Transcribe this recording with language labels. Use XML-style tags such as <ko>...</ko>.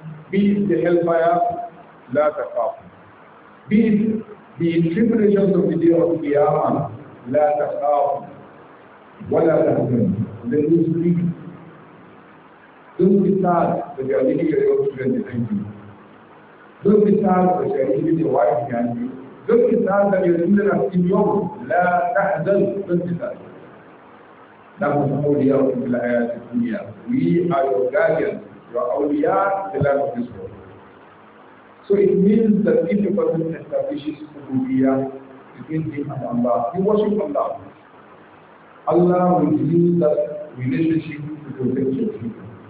<en>Be it the hellfire, la taqafu. Be it the tribulations of the day of Qiyamah,</en> <ar>لا تخاف ولا تحزن.</ar> <en>Then you speak. Don't be sad that you are leaving your own children behind you. Don't be sad that you are leaving your wife behind you. Don't be sad that your children are still young.</en> <ar>لا تحزن.</ar> <en>Don't be sad.</en> <ar>نحن أولياء في الحياة الدنيا.</ar> <en>We are your guardians. You are أولياء in the life of this world. So it means that if a person establishes ubudiyah between him and Allah, he worships Allah. Allah will use that relationship to protect your children.</en>